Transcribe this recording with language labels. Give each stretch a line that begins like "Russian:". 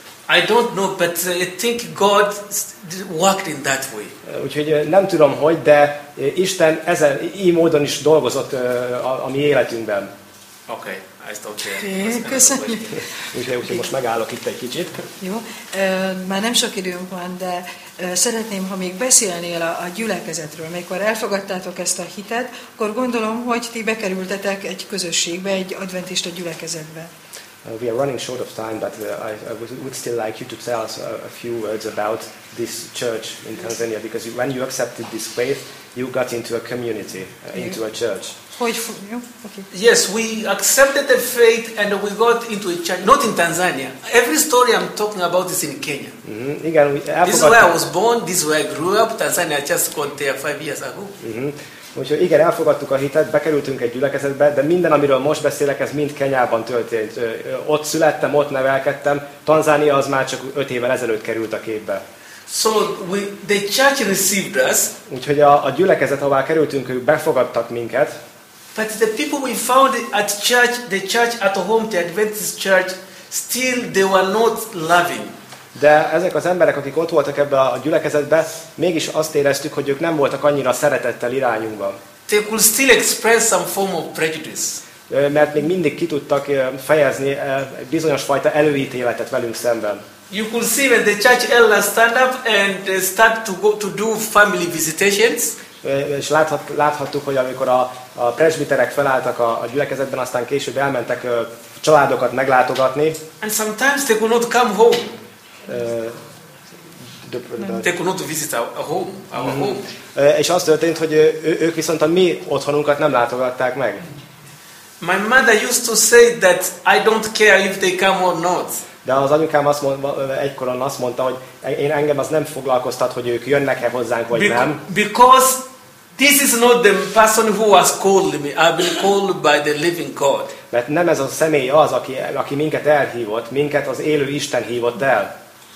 English: I don't know, but I think God worked in that way.
Hungarian: Úgyhogy nem tudom, hogy, de Isten ezen így módon is dolgozott a mi életünkben.
English: Okay, I stop here.
Hungarian: Köszönjük. Úgyhogy most megállok itt egy kicsit. Jó, már nem sok időm van, de szeretném, ha még beszélnél a gyülekezetről. Mikor elfogadtátok ezt a hitet, akkor gondolom, hogy ti bekerültetek egy közösségbe, egy adventista gyülekezetbe.
English: We are running short of time, but I would still like you to tell us a few words about this church in Tanzania, because when you accepted this faith, you got into a community, into a church. Yes, we accepted the faith and we got into a church, not in Tanzania. Every story I'm talking about is in Kenya.
Hungarian: Igen,
English: this is where I was born, this is where I grew up, Tanzania, I just got there 5 years ago.
Hungarian: Úgyhogy igen, elfogadtuk a hitet, bekerültünk egy gyülekezetbe, de minden, amiről most beszélek, ez mind Kenyában történt. Ott születtem, ott nevelkedtem. Tanzánia az már csak 5 évvel ezelőtt került a képbe.
English: So the church received us.
Hungarian: Úgyhogy a gyülekezet, ahová kerültünk, ők befogadtak minket.
English: But the people we found at church, the church at home, the Adventist church, still they were not loving.
Hungarian: De ezek az emberek, akik ott voltak ebben a gyülekezetben, mégis azt éreztük, hogy ők nem voltak annyira szeretettel irányunkban.
English: They could still express some form of prejudice.
Hungarian: Mert még mindig ki tudtak fejezni bizonyos fajta előítéletet velünk szemben.
English: You could see when the church elders stand up and start to go to do family visitations.
Hungarian: És láthattuk, hogy amikor a presbiterek felálltak a gyülekezetben, aztán később elmentek családokat meglátogatni.
English: And sometimes they could not come home. They could not visit our home.
Hungarian: És az történt, hogy ők viszont a mi otthonunkat nem látogatták meg.
English: My mother used to say that I don't care if they come or not.
Hungarian: De az anyukám azt mondta, egykoron azt mondta, hogy én engem az nem foglalkoztat, hogy ők jönnek-e hozzánk vagy nem.
English: Because this is not the person who has called me. I've been called by the living God.
Hungarian: Mert nem ez a személy az, aki minket elhívott, minket az élő Isten hívott el.